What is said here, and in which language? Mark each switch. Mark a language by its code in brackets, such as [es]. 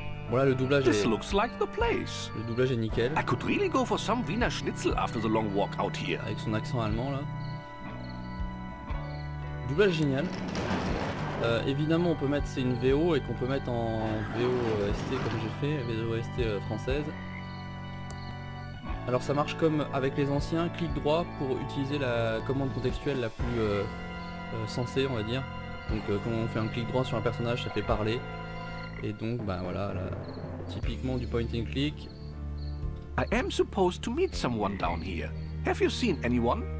[fr] Voilà, le doublage est nickel. [en] I could really go for some Wiener Schnitzel after the long walk out here. [fr] Avec son accent allemand là. Doublage génial. Évidemment, on peut mettre c'est une VO et qu'on peut mettre en VO OST comme j'ai fait, VO OST française. Alors ça marche comme avec les anciens, clic droit pour utiliser la commande contextuelle la plus sensée, on va dire. Donc quand on fait un clic droit sur un personnage, ça fait parler. Et donc, là, typiquement du point and click. [en] I am supposed to meet someone down here. Have you seen anyone?